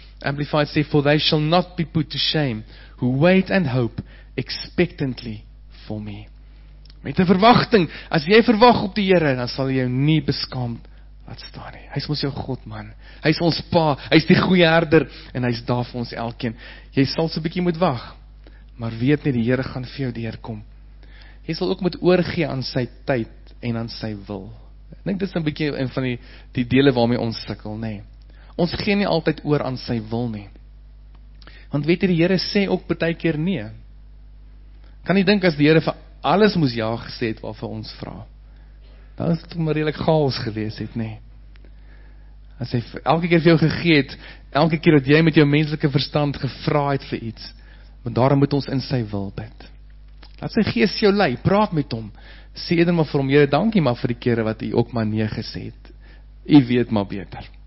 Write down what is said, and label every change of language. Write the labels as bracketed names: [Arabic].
[English] Amplified sê, for they shall not be put to shame, who wait and hope expectantly for me. [Afrikaans] Met 'n verwagting, as jy verwag op die Here, dan sal hy jou nie beskaamd laat staan nie. Hy is ons jou God, man. Hy is ons pa, hy is die goeie herder, en hy is daar vir ons elkeen. Jy sal so 'n bietjie moet wag, maar weet net, die Here gaan vir jou deurkom. Jy sal ook moet oorgee aan sy tyd, en aan sy wil. Ek dink dis 'n bietjie een van die dele waarmee ons sukkel, nê. Ons gee nie altyd oor aan sy wil nie. Want weet jy, die Here sê ook baie keer nee. Kan jy dink as die Here vir alles moes ja gesê het, waarvan ons vra? Dan is het maar redelijk chaos gewees het, nê. As hy elke keer vir jou gegee het, elke keer dat jy met jou menslike verstand gevra het vir iets, maar daarom moet ons in sy wil bid. Laat sy gees jou lei, praat met hom. Sê dan maar vir hom, Here, dankie maar vir die kere wat hy ook maar nee gesê het. Hy weet maar beter.